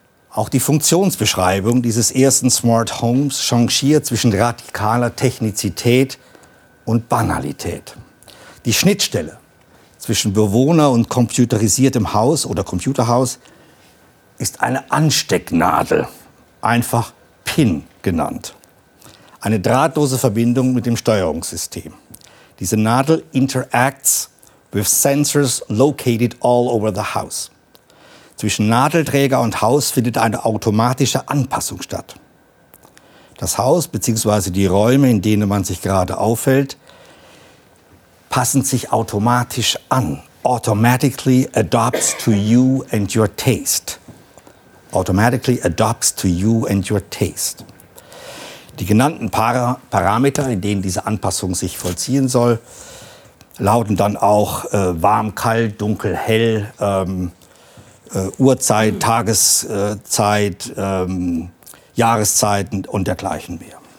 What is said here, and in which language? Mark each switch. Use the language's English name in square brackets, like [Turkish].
[German] Auch die Funktionsbeschreibung dieses ersten Smart Homes changiert zwischen radikaler Technizität und Banalität. Die Schnittstelle zwischen Bewohner und computerisiertem Haus oder Computerhaus ist eine Anstecknadel, einfach PIN genannt. Eine drahtlose Verbindung mit dem Steuerungssystem. Diese Nadel [English] interacts with sensors located all over the house. [German] Zwischen Nadelträger und Haus findet eine automatische Anpassung statt. Das Haus bzw. die Räume, in denen man sich gerade aufhält, passen sich automatisch an. [English] Automatically adapts to you and your taste. Automatically adapts to you and your taste. [German] Die genannten Parameter, in denen diese Anpassung sich vollziehen soll, lauten dann auch warm, kalt, dunkel, hell, Uhrzeit, Tageszeit, Jahreszeiten und dergleichen mehr.